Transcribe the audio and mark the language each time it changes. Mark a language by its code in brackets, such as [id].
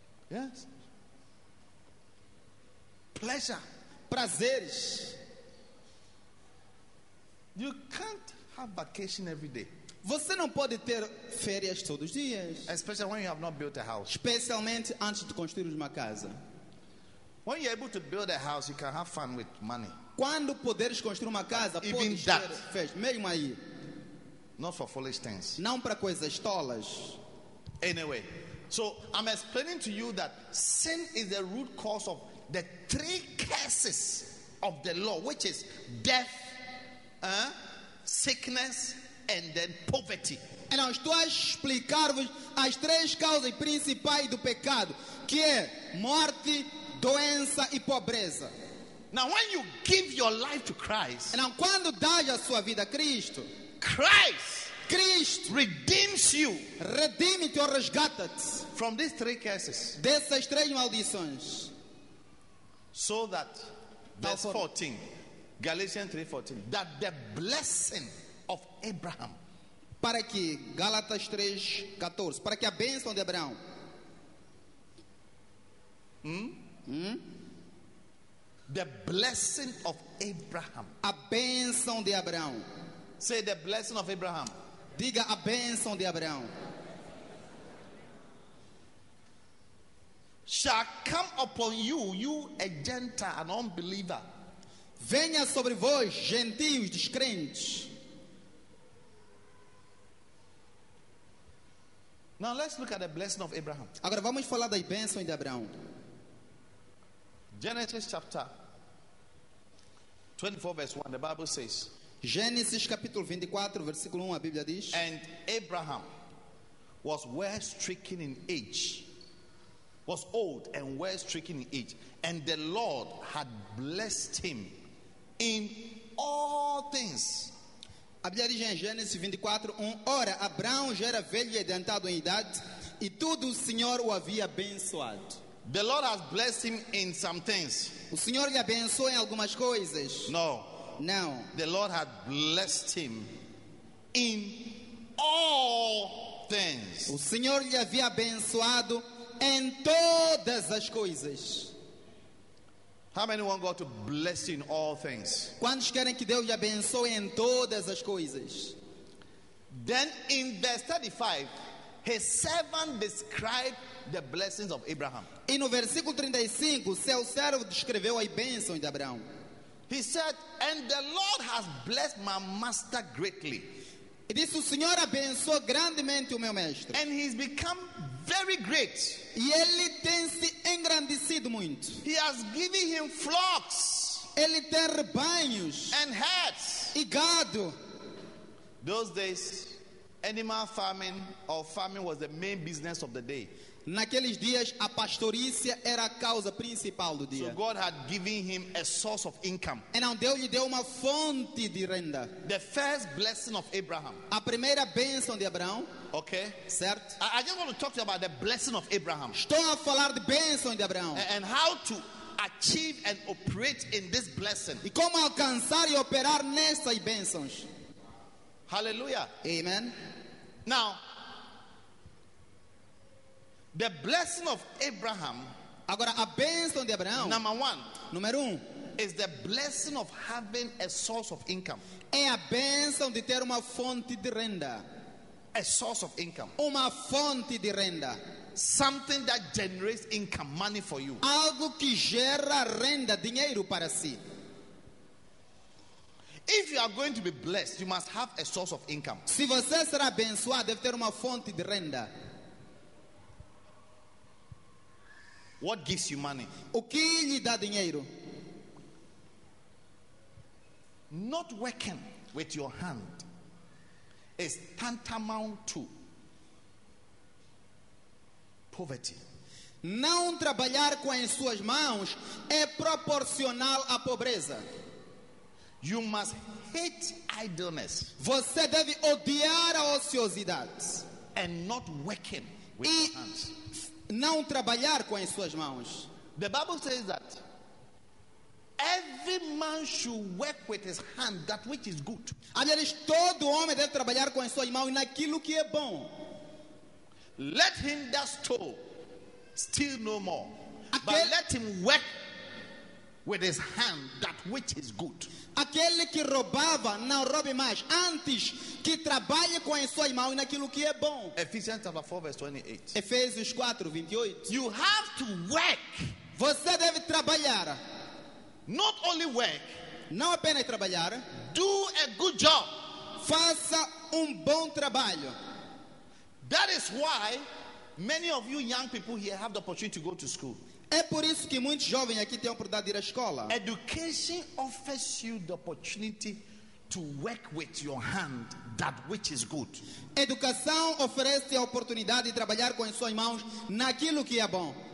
[en] Yes. Pleasure. [pt] Prazeres. [en] You can't have vacation every day. [pt] Você não pode ter férias todos os dias. [en] Especially when you have not built a house. [pt] Especialmente antes de construir uma casa. [en] When you're able to build a house, you can have fun with money. [pt] Quando poderes construir uma casa, [en] even [pt] podes [en] that, [pt] ter festa. Mesmo aí. [en] Not for foolish things. [pt] Não para coisas tolas. [en] Anyway, so I'm explaining to you that sin is the root cause of the three curses of the law, which is death, sickness, and then poverty. [pt] Então estou a explicar-vos as três causas principais do pecado, que é morte, doença e pobreza. [en] Now, when you give your life to Christ, [pt] então quando dás a sua vida a Cristo. [en] Christ, Christ redeems you, [pt] redeem-te ou resgata-te [en] from these three curses, [pt] dessas três maldições. [en] So that verse 14, Galatians 3:14, that the blessing of Abraham, [pt] para que Gálatas 3:14, para que a bênção de Abraão. [en] The blessing of Abraham, [pt] a bênção de Abraão. [en] Say the blessing of Abraham. [pt] Diga a bênção de Abraão. [en] Shall come upon you, you a Gentile, an unbeliever. [pt] Venha sobre vós, gentios, descrentes. [en] Now let's look at the blessing of Abraham. [pt] Agora vamos falar da bênção de Abraão. [en] Genesis chapter 24, verse 1. The Bible says. [pt] Gênesis capítulo 24, versículo 1, a Bíblia diz: [en] And Abraham was well stricken in age, was old and well stricken in age, and the Lord had blessed him in all things. [pt] A Bíblia diz em Gênesis 24, 1: Ora, Abraão já era velho e adiantado em idade, e tudo o Senhor o havia abençoado. [en] The Lord has blessed him in some things. [pt] O Senhor lhe abençoou em algumas coisas. [en] No. Now, the Lord had blessed him in all things. [pt] O Senhor lhe havia abençoado em todas as coisas. [en] How many want God to bless you in all things? [pt] Quantos querem que Deus lhe abençoe em todas as coisas? [en] Then in verse 35, his servant described the blessings of Abraham. [pt] E no versículo 35, seu servo descreveu as bênçãos de Abraão. [en] He said, "And the Lord has blessed my master greatly." [pt] E disse, o Senhor abençoou grandemente o meu mestre. [en] And he's become very great. [pt] E ele tem se engrandecido muito. [en] He has given him flocks. [pt] Ele tem rebanhos. [en] And herds. [pt] E gado. [en] Those days, animal farming or farming was the main business of the day. [pt] Naqueles dias a pastorícia era a causa principal do dia. [en] So God had given him a source of income. [pt] E não deu-lhe deu uma fonte de renda. [en] The first blessing of Abraham. [pt] A primeira bênção de Abraão. [en] Okay. [pt] Certo. [en] I just want to talk to you about the blessing of Abraham. [pt] Estou a falar de bênção de Abraão. [en] And how to achieve and operate in this blessing. [pt] E como alcançar e operar nessas bênçãos. [en] Hallelujah. Amen. Now. The blessing of Abraham. [pt] Agora a bênção de Abraão. [en] Number one, [pt] número um, [en] is the blessing of having a source of income. [pt] É a bênção de ter uma fonte de renda. [en] A source of income. [pt] Uma fonte de renda. [en] Something that generates income, money for you. [pt] Algo que gera renda, dinheiro para si. [en] If you are going to be blessed, you must have a source of income. [pt] Se você será abençoado, deve ter uma fonte de renda. [en] What gives you money? [pt] O que lhe dá dinheiro? [en] Not working with your hand is tantamount to poverty. [pt] Não trabalhar com as suas mãos é proporcional à pobreza. [en] You must hate idleness. [pt] Você deve odiar a ociosidade. [en] And not working with your hands. [pt] Não trabalhar com as suas mãos. [en] The Bible says that every man should work with his hand that which is good. [pt] Aliás, todo homem deve trabalhar com as suas mãos naquilo que é bom. [en] Let him that stole steal no more. But let him work with his hand that which is good. [pt] Aquele que roubava, não roube mais. Antes, que trabalhe com as suas mãos naquilo que é bom. [en] Ephesians 4, verse 28. [pt] Efésios 4, 28. [en] You have to work. [pt] Você deve trabalhar. [en] Not only work. [pt] Não apenas trabalhar. [en] Do a good job. [pt] Faça bom trabalho. [en] That is why many of you young people here have the opportunity to go to school. [pt] É por isso que muitos jovens aqui têm a oportunidade de ir à escola. [en] Education offers you the opportunity to work with your hand that which is good. [pt] Educação oferece a oportunidade de trabalhar com as suas mãos naquilo que é bom.